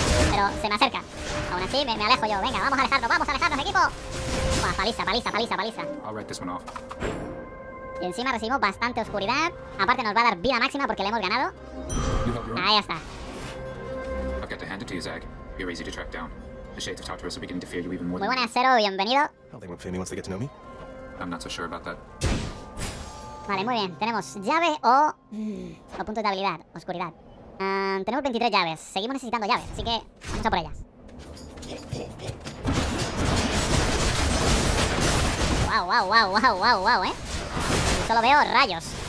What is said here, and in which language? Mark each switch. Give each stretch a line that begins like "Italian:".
Spanish: Pero se me acerca. Aún así me alejo yo. Venga, vamos a alejarnos, equipo. Buah, paliza.
English: I'll write this one off.
Spanish: Y encima recibimos bastante oscuridad. Aparte nos va a dar vida máxima porque le hemos ganado. Ahí está.
English: I've got to hand it to you, Zag. You're easy to track down. The Shades of Tartarus are beginning to fear you even more.
Spanish: Muy buenas, Zero, bienvenido.
English: They won't fear me once they get to know me. I'm not so sure about that.
Spanish: Vale, muy bien. Tenemos llave o punto de habilidad, oscuridad. Tenemos 23 llaves. Seguimos necesitando llaves, así que vamos a por ellas. Wow, ¿eh? Solo veo rayos.